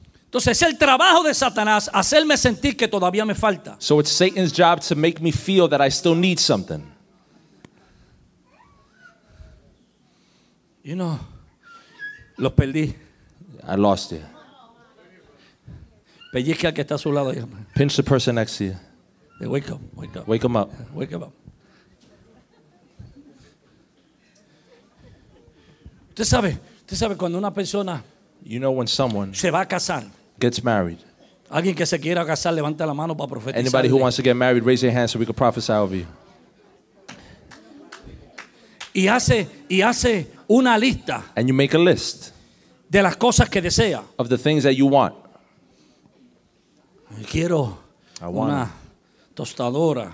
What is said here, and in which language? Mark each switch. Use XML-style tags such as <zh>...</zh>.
<es>Entonces el trabajo de Satanás hacerme sentir que todavía me falta.</es> <en>So it's Satan's job to make me feel that I still need something. You know,</en> <es>los perdí.</es> <en>I lost you.</en> <es>Pellizca al que está a su lado.</es> <en>Pinch the person next to you. Hey, wake up. Wake him up.</en> <es>Usted sabe cuando una persona,</es> <en>you know, when someone</en> <es>se va a casar,</es> <en>gets married.</en> <es>Alguien que se quiera casar, levanta la mano para profetizar.</es> <en>Anybody who wants to get married, raise your hand so we can prophesy over you.</en> <es>Y hace una lista.</es> <en>And you make a list.</en> <es>De las cosas que desea.</es> <en>Of the things that you want.</en> <es>Quiero una tostadora.</es>